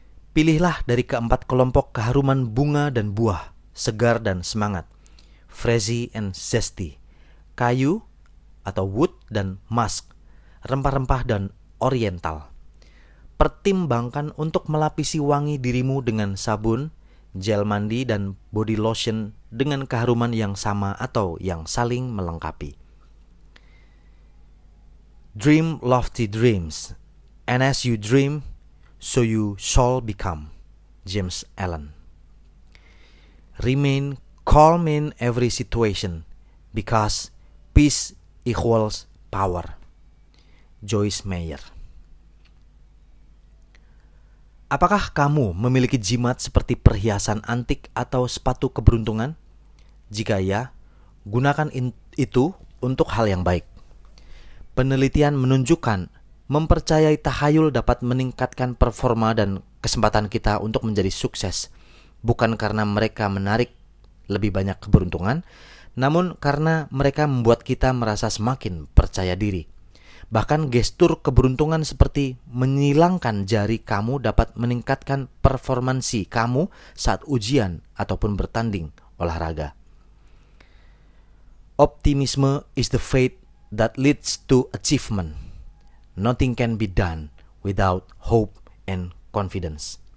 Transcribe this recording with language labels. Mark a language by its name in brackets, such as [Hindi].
[Indonesian] Pilihlah dari keempat kelompok keharuman bunga dan buah, segar dan semangat, [English] fresy and zesty, [Indonesian] kayu atau wood dan musk, rempah-rempah dan oriental. Pertimbangkan untuk melapisi wangi dirimu dengan sabun, gel mandi dan body lotion dengan keharuman yang sama atau yang saling melengkapi. [English] Dream lofty dreams, and as you dream, so you shall become. James Allen. Remain calm in every situation, because peace equals power. Joyce Meyer. [Indonesian] Apakah kamu memiliki jimat seperti perhiasan antik atau sepatu keberuntungan? Jika ya, gunakan itu untuk hal yang baik. Penelitian menunjukkan mempercayai tahayul dapat meningkatkan performa dan kesempatan kita untuk menjadi sukses. Bukan karena mereka menarik lebih banyak keberuntungan, namun karena mereka membuat kita merasa semakin percaya diri. Bahkan gestur keberuntungan seperti menyilangkan jari kamu dapat meningkatkan performansi kamu saat ujian ataupun bertanding olahraga. [English] Optimisme is the faith that leads to achievement. Nothing can be done without hope and confidence.